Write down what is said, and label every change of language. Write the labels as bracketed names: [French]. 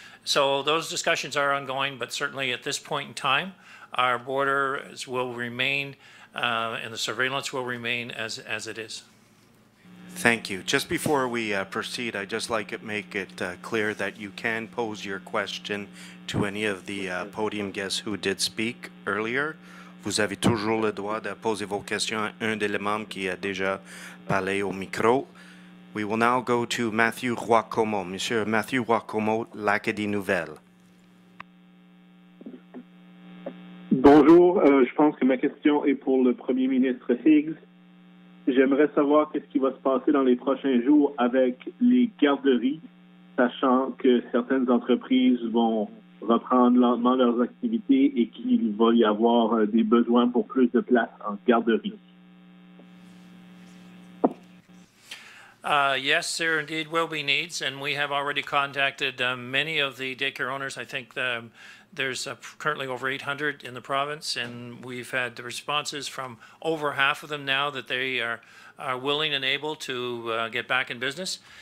[English] So those discussions are ongoing, but certainly at this point in time, our borders will remain, and the surveillance will remain as it is. Thank you. Just before we proceed, I'd just like to make it clear that you can pose your question to any of the podium guests who did speak earlier. [French] Vous avez toujours le droit de poser vos questions à un des membres qui a déjà parlé au micro. [English] We will now go to Matthew Roicomo. Monsieur Matthew Roicomo, L'Acadie Nouvelle. [French] Bonjour, je pense que ma question est pour le Premier ministre Higgs. J'aimerais savoir qu'est-ce qui va se passer dans les prochains jours avec les garderies, sachant que certaines entreprises vont reprendre lentement leurs activités et qu'il va y avoir des besoins pour plus de places en garderie. [English] Yes, there indeed will be needs, and we have already contacted many of the daycare owners. I think there's currently over 800 in the province, and we've had the responses from over half of them now that they are willing and able to get back in business.